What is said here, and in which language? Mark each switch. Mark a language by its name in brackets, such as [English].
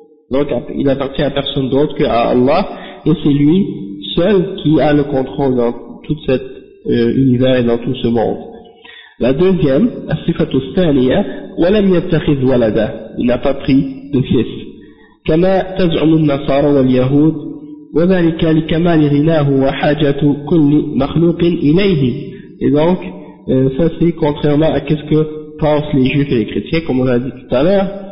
[French] Donc, il appartient à personne d'autre qu'à Allah, et c'est lui seul qui a le contrôle dans tout cet univers et dans tout ce monde. La deuxième, [Arabic] الصفات الثانية, ولم يتخذ ولدا, [French] il n'a pas pris de fils. [Arabic] كما تزعم النصارى واليهود, وذلك لكمال غناه وحاجة كل مخلوق إليه. [French] Et donc, ça c'est contrairement à ce que pensent les juifs et les chrétiens, comme on l'a dit tout à l'heure.